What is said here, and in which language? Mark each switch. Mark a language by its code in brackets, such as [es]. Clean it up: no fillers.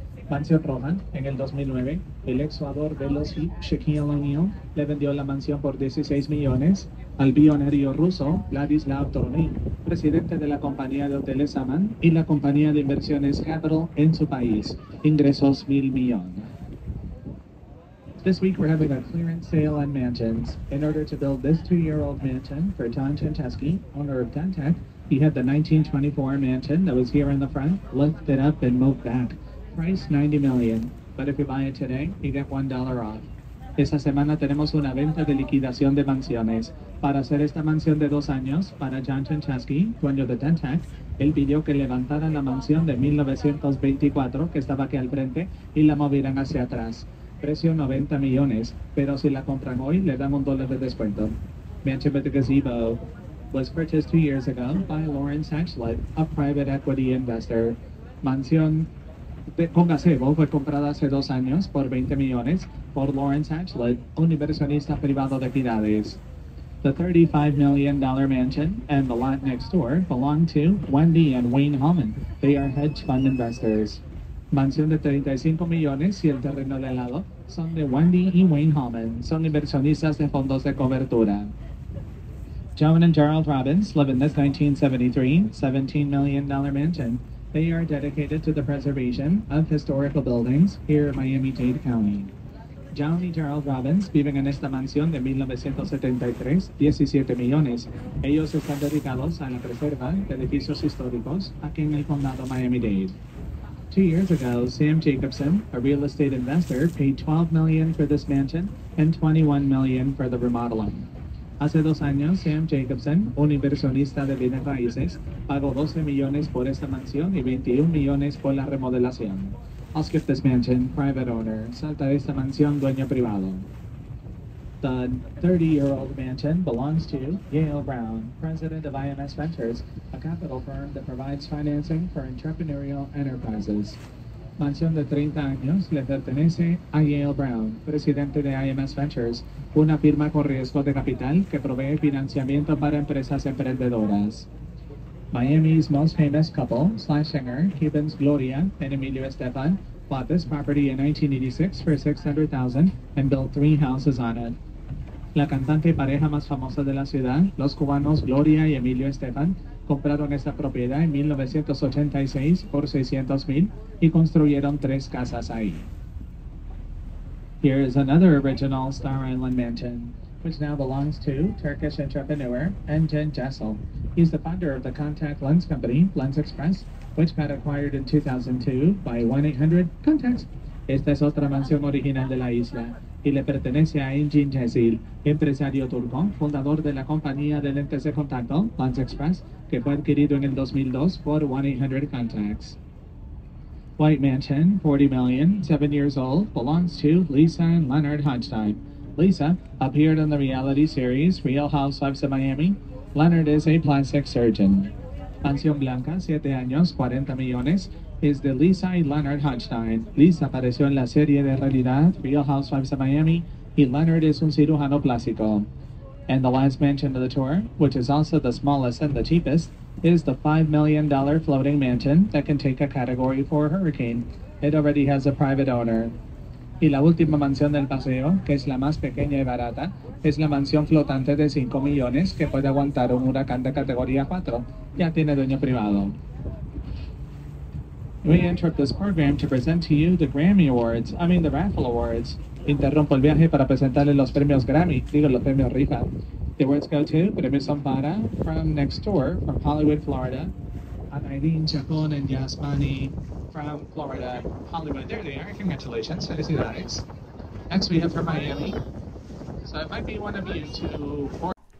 [es] Mansión Rohan, en el 2009, el ex jugador de los Shaquille O'Neal le vendió la mansión por 16 millones al billonario ruso Vladislav Dolonin, presidente de la compañía de hoteles Aman y la compañía de inversiones Capital en su país. Ingresos mil millones. [en] This week we're having a clearance sale on mansions. In order to build this 2-year-old mansion for John Chenteski, owner of Dentec, he had the 1924 mansion that was here in the front lifted up and moved back. Price $90 million, but if you buy it today, you get $1 off. [es] Esa semana tenemos una venta de liquidación de mansiones. Para hacer esta mansión de 2 años, para John Chansky, dueño de Dentac, él pidió que levantaran la mansión de 1924, que estaba aquí al frente, y la movieran hacia atrás. Precio 90 millones, pero si la compran hoy, le dan $1 de descuento. [en] Mansion with the gazebo was purchased 2 years ago by Lawrence Ashlett, a private equity investor. [es] Mansión con gazebo fue comprada hace 2 años por 20 millones por Lawrence Ashlett, un inversionista privado de equidades. [en] The $35 million mansion and the lot next door belong to Wendy and Wayne Holman. They are hedge fund investors. [es] Mansión de 35 millones y el terreno de al lado son de Wendy y Wayne Holman. Son inversionistas de fondos de cobertura. [en] Joan and Gerald Robbins live in this 1973 $17 million mansion. They are dedicated to the preservation of historical buildings here in Miami-Dade County. [es] Joan y Gerald Robbins viven en esta mansión de 1973, 17 millones. Ellos están dedicados a la preserva de edificios históricos aquí en el condado Miami-Dade. [en] 2 years ago, Sam Jacobson, a real estate investor, paid $12 million for this mansion and $21 million for the remodeling. [es] Hace 2 años, Sam Jacobson, un inversionista de bienes raíces, pagó $12 million por esta mansión y $21 million por la remodelación. [en] I'll skip this mansion, private owner. [es] Salta esta mansión, dueño privado. [en] The 30-year-old mansion belongs to Yale Brown, president of IMS Ventures, a capital firm that provides financing for entrepreneurial enterprises. [es] Mansión de 30 años le pertenece a Yale Brown, presidente de IMS Ventures, una firma con riesgo de capital que provee financiamiento para empresas emprendedoras. [en] Miami's most famous couple, slash singer, Cubans Gloria and Emilio Estefan, bought this property in 1986 for $600,000 and built 3 houses on it. [es] La cantante y pareja más famosa de la ciudad, los cubanos Gloria y Emilio Estefan, compraron esta propiedad en 1986 por $600,000 y construyeron 3 casas ahí. [en] Here is another original Star Island mansion, which now belongs to Turkish entrepreneur Engin Jessel. He's the founder of the contact lens company, Lens Express, which got acquired in 2002 by 1-800-CONTACTS. [es] Esta es otra mansión original de la isla, y le pertenece a Engin Jessel, empresario turco, fundador de la compañía de lentes de contacto, Lens Express, que fue adquirido en el 2002 por 1-800-CONTACTS. [en] White Mansion, $40 million, 7 years old, belongs to Lisa and Leonard Hodgstein. Lisa appeared on the reality series Real Housewives of Miami. Leonard is a plastic surgeon. [es] Mansión Blanca, 7 años, 40 millones, is de Lisa y Leonard Hodgstein. Lisa apareció en la serie de realidad Real Housewives of Miami, y Leonard is un cirujano plástico. [en] And the last mansion of the tour, which is also the smallest and the cheapest, is the $5 million floating mansion that can take a Category 4 hurricane. It already has a private owner. [es] Y la última mansión del paseo, que es la más pequeña y barata, es la mansión flotante de 5 millones que puede aguantar un huracán de categoría 4. Ya tiene dueño privado. [en] We interrupt this program to present to you the Grammy Awards, I mean the Raffle Awards. [es] Interrumpo el viaje para presentarle los premios Grammy, digo los premios Rifa. [en] The awards go to Premios Zampara from Next Door, from Hollywood, Florida, and Irene Chacon and Yasmani. From Florida, Hollywood. There they are. Congratulations. [es] Felicidades. [en] Next we have from Miami. So it might be one of you to...